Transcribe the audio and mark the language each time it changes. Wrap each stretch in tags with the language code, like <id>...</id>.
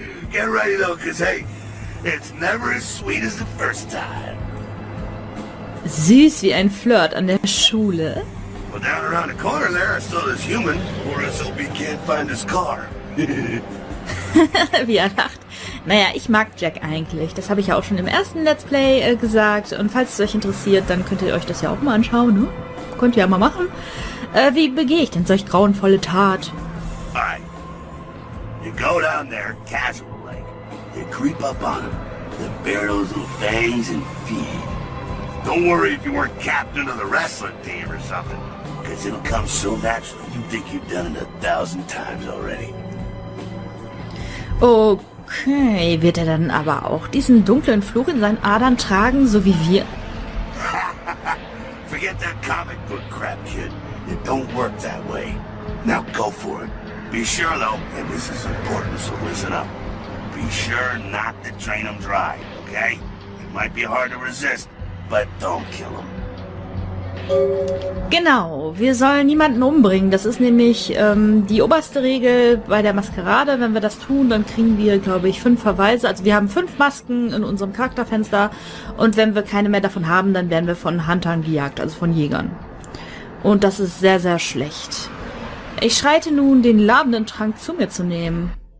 <en>Get ready though, cause hey, it's never as sweet as the first time.</en> <de>Süß wie ein Flirt an der Schule.</de> <en>Well, down around the corner there, I saw this human, or SOB can't find his car.</en> <de>Wie er lacht. Naja, ich mag Jack eigentlich. Das habe ich ja auch schon im ersten Let's Play gesagt. Und falls es euch interessiert, dann könnt ihr euch das ja auch mal anschauen, ne? Könnt ihr ja mal machen. Wie begehe ich denn solch grauenvolle Tat?</de> <en>Alright. You go down there casual like. You creep up on him. the bear those little fangs and feed. Don't worry if you weren't captain of the wrestling team or something. Because it'll come so natural, you think you've done it 1,000 times already.</en> <de>Okay, wird dann aber auch diesen dunklen Fluch in seinen Adern tragen, so wie wir?</de> <en>Forget that comic book crap, kid. It don't work that way. Now go for it. Be sure, though, and this is important, so listen up. Be sure not to drain them dry, okay? It might be hard to resist, but don't kill them.</en> <de>Genau, wir sollen niemanden umbringen. Das ist nämlich die oberste Regel bei der Maskerade. Wenn wir das tun, dann kriegen wir, glaube ich, 5 Verweise. Also wir haben 5 Masken in unserem Charakterfenster. Und wenn wir keine mehr davon haben, dann werden wir von Huntern gejagt, also von Jägern. Und das ist sehr, sehr schlecht. Ich schreite nun, den labenden Trank zu mir zu nehmen.</de>